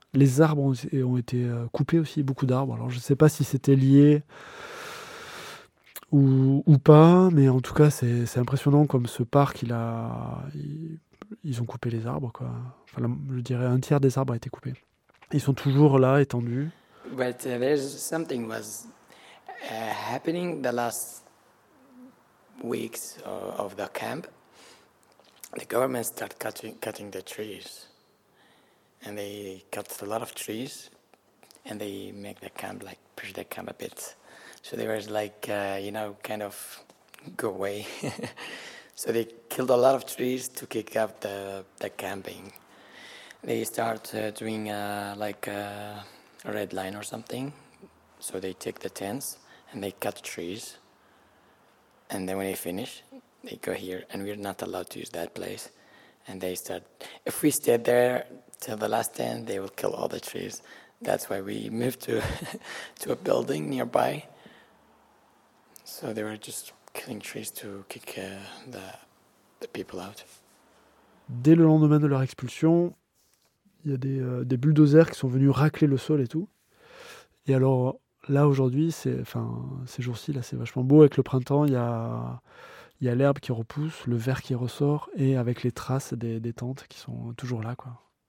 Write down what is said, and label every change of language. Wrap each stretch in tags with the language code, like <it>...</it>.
<fr>Les arbres ont été coupés aussi, beaucoup d'arbres. Alors je ne sais pas si c'était lié ou pas, mais en tout cas, c'est impressionnant comme ce parc, ils ont coupé les arbres, quoi. Enfin, je dirais un tiers des arbres a été coupé. Ils sont toujours là, étendus.</fr> <en>But there's something was happening the last weeks of the camp. The government start cutting the trees, and they cut a lot of trees, and they make the camp like push the camp a bit. So there was like you know, kind of go away. So they killed a lot of trees to kick up the camping. They start doing like a red line or something. So they take the tents and they cut trees. And then when they finish, they go here. And we're not allowed to use that place. And they start, if we stay there till the last tent, they will kill all the trees. That's why we moved to to a building nearby. So they were just killing trees to kick the people out.</en> <fr>Dès le lendemain de leur expulsion, il y a des bulldozers qui sont venus racler le sol et tout. Et alors là aujourd'hui, ces jours-ci là, c'est vachement beau avec le printemps. Il y a l'herbe qui repousse, le vert qui ressort, et avec les traces des tentes qui sont toujours là, quoi.</fr>